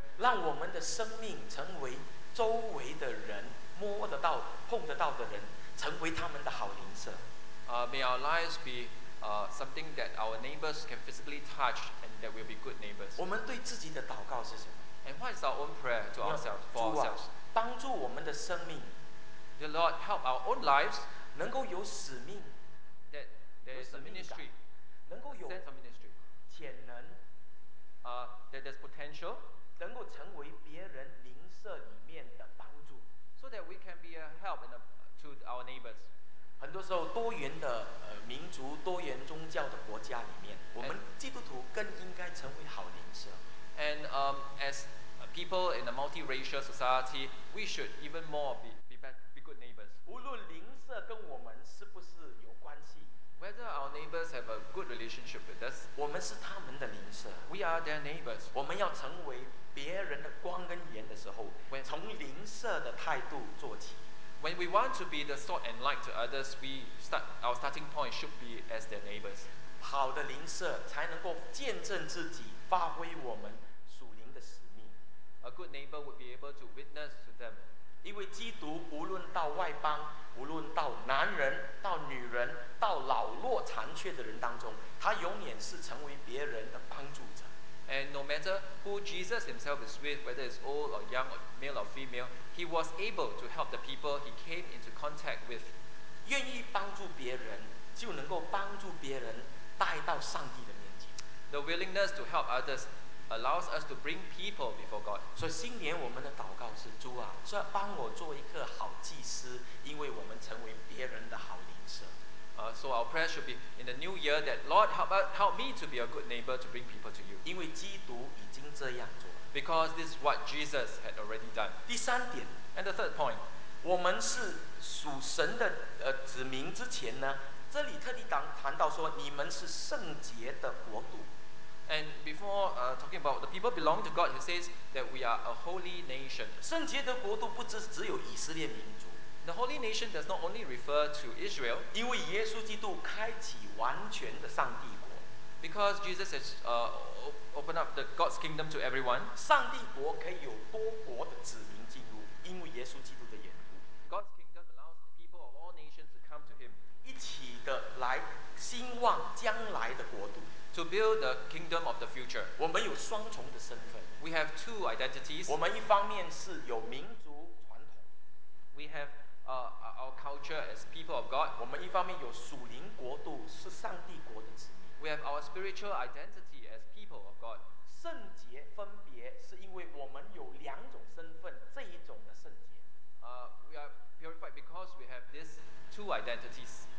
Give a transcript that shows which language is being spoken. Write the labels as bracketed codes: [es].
[zh] 让我们的生命成为周围的人摸得到、碰得到的人，成为他们的好邻舍。 [en] May our lives be something that our neighbors can physically touch and that will be good neighbors. [zh] 我们对自己的祷告是什么？ [en] And what is our own prayer to ourselves for ourselves? [zh] 帮助我们的生命。 [en] The Lord help our own lives. [zh] 能够有使命。 [en] That there is a ministry. [zh] 能够有 [en] sense of ministry. [zh] 潜能。 [en] That there's potential. [zh] 能够成为别人邻舍里面的帮助。 [en] So that we can be a help and a, to our neighbors. [zh] 很多时候多元的、民族多元宗教的国家里面我们基督徒更应该成为好邻舍 [en] and、as people in a multiracial society we should even more be good neighbors [zh] 无论邻舍跟我们是不是有关系 [en] whether our neighbors have a good relationship with us [zh] 我们是他们的邻舍 [en] we are their neighbors [zh] 我们要成为别人的光跟盐的时候 [en] when, [zh] 从邻舍的态度做起 [en] When we want to be the salt and light to others, we start, our starting point should be as their neighbors. [zh] 好的邻舍才能够见证自己，发挥我们属灵的使命。 [en] A good neighbor would be able to witness to them. [zh] 因为基督无论到外邦，无论到男人、到女人、到老弱残缺的人当中，他永远是成为别人的帮助者。 [en] And no matter who Jesus himself is with, whether it's old or young, or male or female, he was able to help the people he came into contact with. [zh] 愿意帮助别人，就能够帮助别人带到上帝的面前。 [en] The willingness to help others allows us to bring people before God. [zh] 所以新年我们的祷告是：主啊，所以帮我做一个好祭司，因为我们成为别人的好邻舍。 [en] So our prayer should be in the new year that Lord help, help me to be a good neighbor to bring people to you. [zh] 因为基督已经这样做了。 [en] Because this is what Jesus had already done. [zh] 第三点。 [en] And the third point. [zh] 我们是属神的、子民之前呢，这里特地谈到说你们是圣洁的国度。 [en] And before talking about the people belong to God, he says that we are a holy nation. [zh] 圣洁的国度不只只有以色列民族。 [en] The holy nation does not only refer to Israel, [zh] 因为耶稣基督开启完全的上帝国 [en] because Jesus has opened up the God's kingdom to everyone. [zh] 上帝国可以有多国的子民进入，因为耶稣基督的缘故。 [en] God's kingdom allows people of all nations to come to Him, [zh] 一起的来兴旺将来的国度。 [en] To build the kingdom of the future, [zh] 我们有双重的身份。 [en] We have two identities. [zh] 我们一方面是有民族。 [en] We have our culture as people of God. [zh] 我们一方面有属灵国度，是上帝国的子民。 [en] We have our spiritual identity as people of God. [zh] 圣洁分别是因为我们有两种身份，这一种的圣洁。 [en] We are purified because we have these two identities.